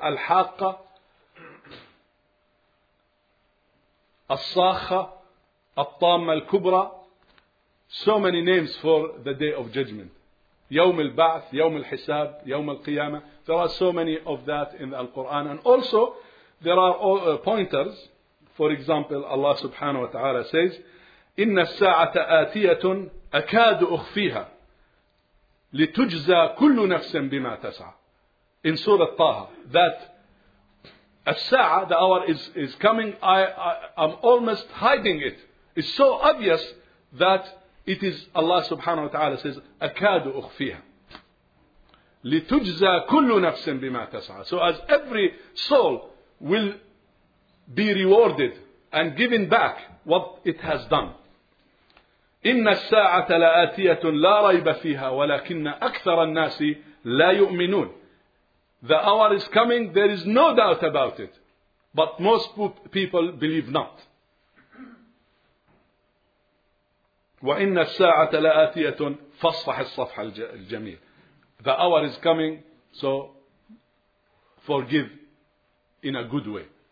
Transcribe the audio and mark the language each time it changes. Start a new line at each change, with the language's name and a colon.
Arabic: Al-Haqqa, Al-Sakha, Al-Tamma al-Kubra.
English: So many names for the Day of Judgment. Yawm al-Ba'th, Yawm al-Hisab, Yawm al-Qiyamah. There are so many of that in the Quran. And also, there are all, pointers.
Arabic: For example,
English: Allah subhanahu wa ta'ala says,
Arabic: إِنَّ السَّاعَةَ آتِيَةٌ أَكَادُ أُخْفِيهَا لِتُجْزَى كُلُّ نَفْسٍ بِمَا تَسْعَى.
English: In Surah Taha, that السَّاعَة, the hour is coming, I'm almost hiding it. It's so obvious that it is, Allah subhanahu wa ta'ala says,
Arabic: أَكَادُ أُخْفِيهَا لِتُجْزَى كُلُّ نَفْسٍ بِمَا تَسْعَى.
English: So as every soul will be rewarded and given back what it has done.
Arabic: إِنَّ السَّاعَةَ لَآتِيَةٌ لَا رَيْبَ فِيهَا وَلَكِنَّ أَكْثَرَ النَّاسِ لَا يُؤْمِنُونَ.
English: The hour is coming, there is no doubt about it. But most people believe not.
Arabic: وَإِنَّ السَّاعَةَ لَآتِيَةٌ فَاصْفَحِ الصَّفْحَ الْجَمِيلِ.
English: The hour is coming, so forgive in a good way.